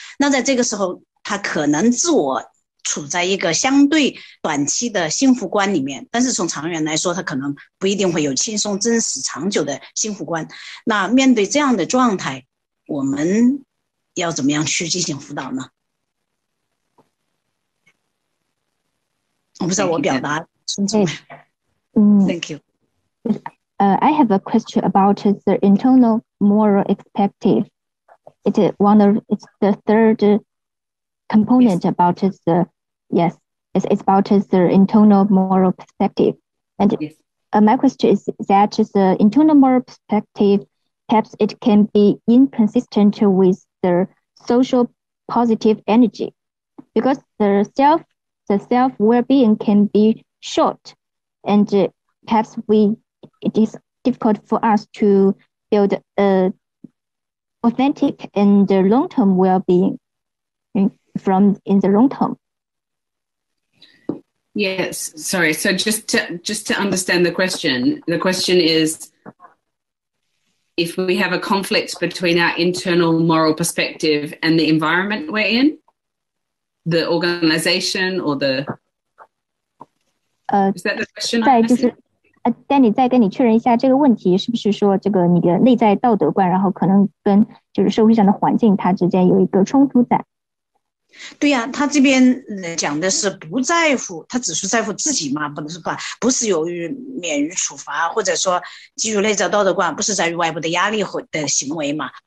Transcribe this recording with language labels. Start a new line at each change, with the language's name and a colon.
Chinese: 那在这个时候他可能自我处在一个相对短期的幸福观里面，但是从长远来说他可能不一定会有轻松真实长久的幸福观。那面对这样的状态，我们要怎么样去进行辅导呢？我不知道我表达清楚吗？
English: Thank you. I have a question about the internal moral perspective. It's the third component about the, yes, it's about the internal moral perspective. And my question is that the internal moral perspective, perhaps it can be inconsistent with the social positive energy, because the self well-being can be short, and perhaps it is difficult for us to build a authentic and long-term well-being from in the long term. Yes, sorry. So just to understand the question is if we have a conflict between our internal moral perspective and the environment we're in, the organization or the... is that the question I'm asking?
Chinese: 但你再跟你确认一下这个问题是不是说这个你的内在道德观然后可能跟就是社会上的环境它之间有一个冲突在。对呀，他这边讲的是不在乎，他只是在乎自己嘛，不能说不是由于免于处罚或者说基于内在道德观，不是在于外部的压力或的行为嘛。